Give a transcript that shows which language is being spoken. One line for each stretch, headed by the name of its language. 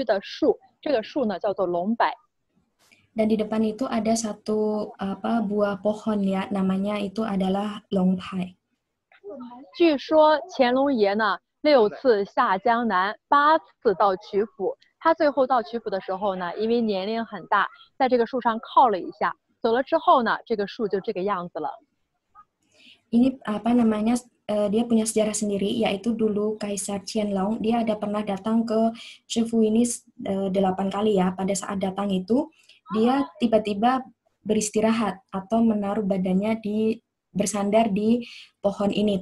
Chinese: 大家看，我们前方呢有一棵弯弯曲曲的树，这个树呢叫做龙柏。
Indonesian: Dan di depan itu ada satu apa buah pohon ya, namanya itu adalah longpai.
Chinese: 据说乾隆爷呢六次下江南，八次到曲阜。他最后到曲阜的时候呢，因为年龄很大，在这个树上靠了一下。走了之后呢，这个树就这个样子了。
Indonesian: Ini apa namanya? Dia punya sejarah sendiri, yaitu dulu Kaisar Qianlong dia ada pernah datang ke Cifu ini 8 kali ya. Pada saat datang itu, dia tiba-tiba beristirahat atau menaruh badannya di bersandar di pohon ini.